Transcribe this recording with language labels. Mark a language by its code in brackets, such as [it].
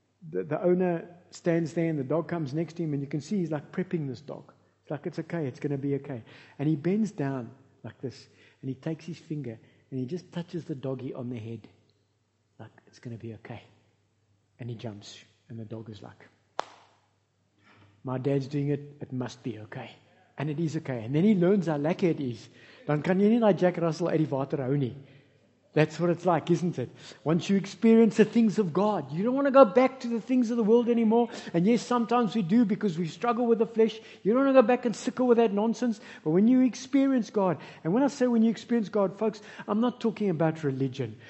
[en] The owner stands there and the dog comes next to him. And you can see he's like prepping this dog. It's like, it's okay. It's going to be okay. And he bends down like this. And he takes his finger and he just touches the doggy on the head. Like, it's going to be okay. And he jumps. And the dog is like, my dad's doing it. It must be okay. And it is okay. And then he learns how lucky it is. [af] Dan kan jy nie like Jack Russell uit die water hou nie. [en] That's what it's like, isn't it? Once you experience the things of God, you don't want to go back to the things of the world anymore. And yes, sometimes we do because we struggle with the flesh. You don't want to go back and sicker with that nonsense. But when you experience God, and when I say when you experience God, folks, I'm not talking about religion.